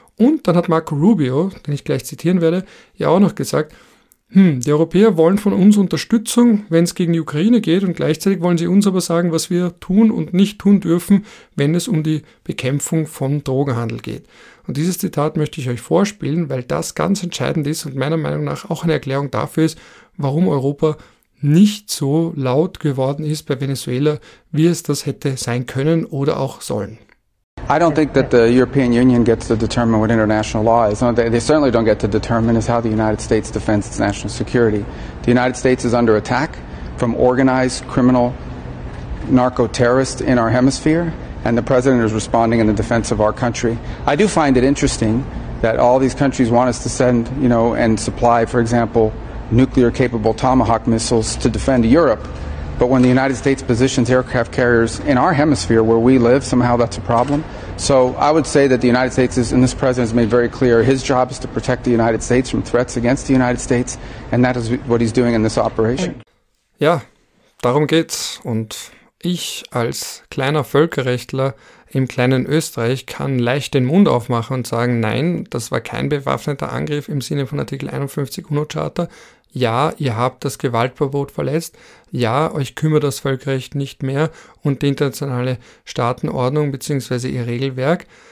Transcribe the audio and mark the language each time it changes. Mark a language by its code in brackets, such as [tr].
[de] Und dann hat Marco Rubio, den ich gleich zitieren werde, ja auch noch gesagt, die Europäer wollen von uns Unterstützung, wenn es gegen die Ukraine geht, und gleichzeitig wollen sie uns aber sagen, was wir tun und nicht tun dürfen, wenn es um die Bekämpfung von Drogenhandel geht. Und dieses Zitat möchte ich euch vorspielen, weil das ganz entscheidend ist und meiner Meinung nach auch eine Erklärung dafür ist, warum Europa nicht so laut geworden ist bei Venezuela, wie es das hätte sein können oder auch sollen. [en] I don't think that the European Union gets to determine what international law is. They certainly don't get to determine is how the United States defends its national security. The United States is under attack from organized criminal narco-terrorists in our hemisphere, and the president is responding in the defense of our country. I do find it interesting that all these countries want us to send, you know, and supply, for example, nuclear-capable Tomahawk missiles to defend Europe. But when the United States positions aircraft carriers in our hemisphere where we live, somehow that's a problem. So I would say that the United States is, and this president has made very clear, his job is to protect the United States from threats against the United States, and that is what he's doing in this operation. [de] Ja, darum geht's. Und ich als kleiner Völkerrechtler im kleinen Österreich kann leicht den Mund aufmachen und sagen, nein, das war kein bewaffneter Angriff im Sinne von Artikel 51 UNO-Charta. Ja, ihr habt das Gewaltverbot verletzt. Ja, euch kümmert das Völkerrecht nicht mehr und die internationale Staatenordnung bzw. ihr Regelwerk.